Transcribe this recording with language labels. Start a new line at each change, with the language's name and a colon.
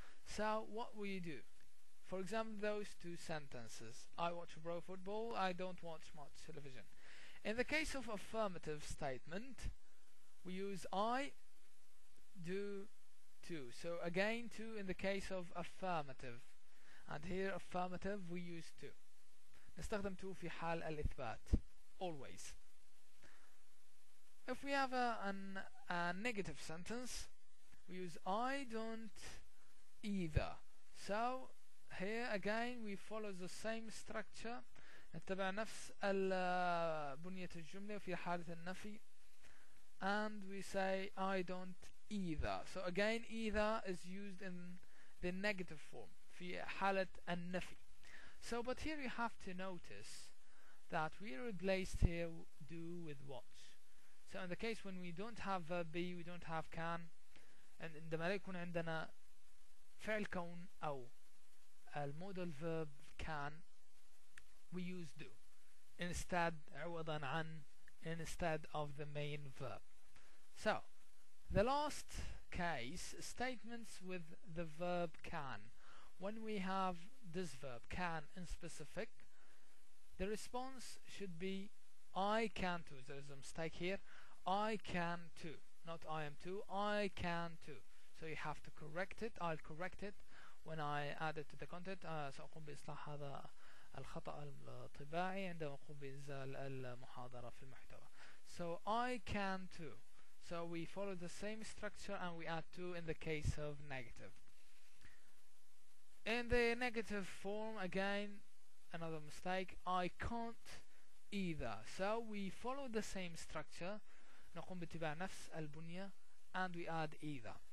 English: So what will you do? For example, those two sentences, I watch pro football, I don't watch much television. In the case of affirmative statement, we use I, do, to. So again, to in the case of affirmative. And here, affirmative, we use to.
Arabic: نستخدم to في حال الإثبات,
English: always. If we have a negative sentence, we use I don't either. So here again we follow the same structure.
Arabic: نتبع نفس بنية الجملة في حالة النفي,
English: and we say I don't either. So again either is used in the negative form
Arabic: في حالة النفي.
English: So but here you have to notice that we replaced here do with watch. So in the case when we don't have verb be, we don't have can, and
Arabic: عندما لا يكون عندنا فعل كون أو المودل
English: verb can, we use do instead,
Arabic: عوضا عن,
English: instead of the main verb. So the last case, statements with the verb can. When we have this verb can in specific, the response should be I can too. There is a mistake here, I can too, not I am too, I can too. So you have to correct it. I'll correct it when I add it to the content.
Arabic: سأقوم بإصلاح هذا الخطأ الطباعي عندما أقوم بإنزال المحاضرة في المحتوى.
English: So I can too. So we follow the same structure and we add too in the case of negative. In the negative form, again, another mistake, I can't either. So we follow the same structure,
Arabic: نقوم باتباع نفس البنية,
English: and we add either.